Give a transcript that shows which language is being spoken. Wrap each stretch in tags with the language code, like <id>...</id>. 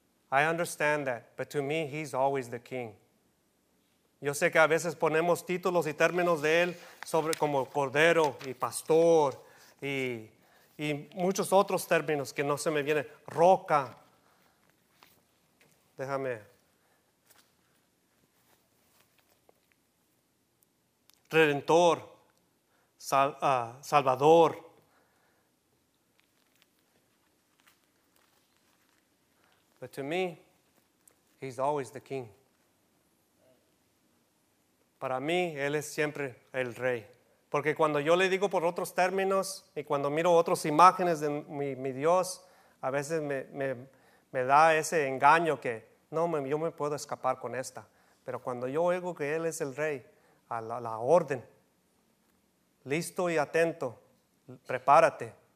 <en>I understand that. But to me, he's always the king.</en> <es>Yo sé que a veces ponemos títulos y términos de él sobre como cordero y pastor y muchos otros términos que no se me vienen. Roca. Déjame. Redentor. Salvador.</es> <en>But to me, he's always the king.</en> <es>Para mí, Él es siempre el Rey. Porque cuando yo le digo por otros términos y cuando miro otras imágenes de mi Dios, a veces me da ese engaño que, no, yo me puedo escapar con esta. Pero cuando yo oigo que Él es el Rey, a la orden, listo y atento, prepárate.</es>